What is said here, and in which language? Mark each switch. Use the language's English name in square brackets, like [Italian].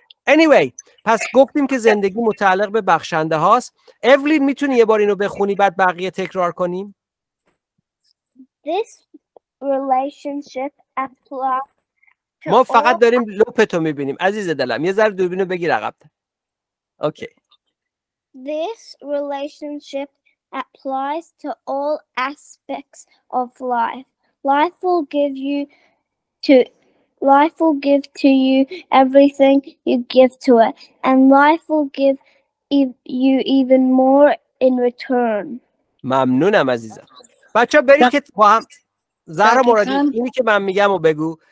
[Persian] Anyway پس گفتیم که زندگی متعلق به بخشنده هاست. اولین میتونی یه بار اینو بخونی بعد بقیه تکرار کنیم. [English] This relationship applies. [Persian] ما فقط داریم لپتو میبینیم عزیز دلم، یه ذره دوربینو بگیر عقب. Okay. [English] This relationship applies to all aspects of life. Life will give to you everything you give to it, and life will give you even more in return. [Persian] ممنونم عزیزم. بچه بریم که با هم زهرا مرادی اینی که من میگم و بگو.